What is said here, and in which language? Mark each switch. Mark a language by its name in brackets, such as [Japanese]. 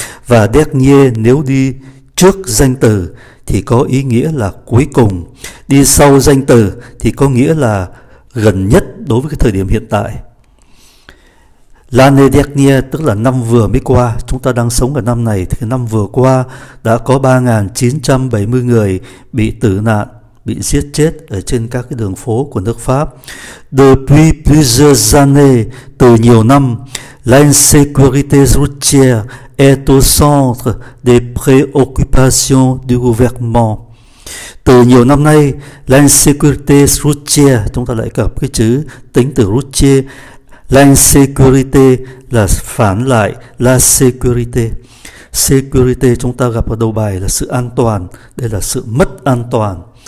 [Vietnamese] Và dernier nếu đi trước danh từ thì có ý nghĩa là cuối cùng, đi sau danh từ thì có nghĩa là gần nhất đối với cái thời điểm hiện tại. [French] L'année dernière, [Vietnamese] tức là năm vừa mới qua, chúng ta đang sống ở năm này thì năm vừa qua đã có 3.970 người bị tử nạn, bị giết chết ở trên các cái đường phố của nước Pháp. [French] Depuis plusieurs années, [Vietnamese] từ nhiều năm, [French] l'insécurité routière est au centre des préoccupations du gouvernement. [Vietnamese] Từ nhiều năm nay, [French] l'insécurité routière, [Vietnamese] chúng ta lại gặp cái chữ tính từ routière, l'insécurité là phản lại la sécurité. Sécurité chúng ta gặp ở đầu bài là sự an toàn, đây là sự mất an toàn.